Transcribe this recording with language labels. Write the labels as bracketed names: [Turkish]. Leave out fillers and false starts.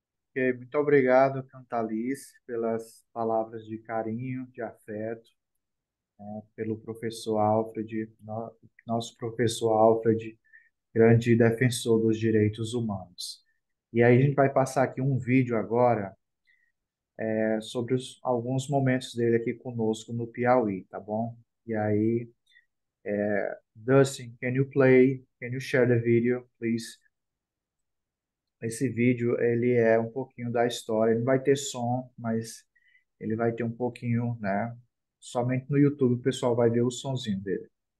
[Portuguese] Okay, muito obrigado, Cantalis, pelas palavras de carinho, de afeto, né, pelo professor Alfred, nosso professor Alfred, grande defensor dos direitos humanos. E aí a gente vai passar aqui um vídeo agora sobre alguns momentos dele aqui conosco no Piauí, tá bom? E aí, [English] Dustin, can you share the video, please? [Portuguese] Esse vídeo, ele é um pouquinho da história, ele não vai ter som, mas ele vai ter um pouquinho, né, Somente no YouTube o pessoal vai ver o sonzinho dele.